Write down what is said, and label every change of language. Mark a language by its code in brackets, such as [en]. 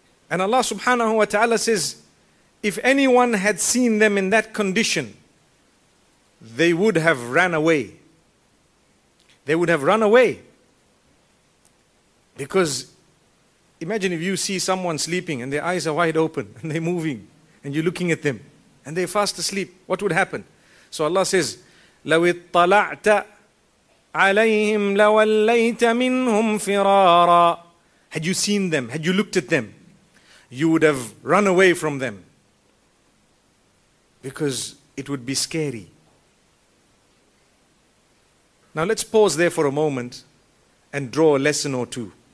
[en] And Allah subhanahu wa ta'ala says, if anyone had seen them in that condition, they would have ran away. They would have run away. Because imagine if you see someone sleeping and their eyes are wide open and they're moving and you're looking at them and they're fast asleep, what would happen? So Allah says, [ar] لو اطلعت عليهم لوليت منهم فرارا. [en] Had you seen them, had you looked at them, you would have run away from them. Because it would be scary. Now let's pause there for a moment and draw a lesson or two.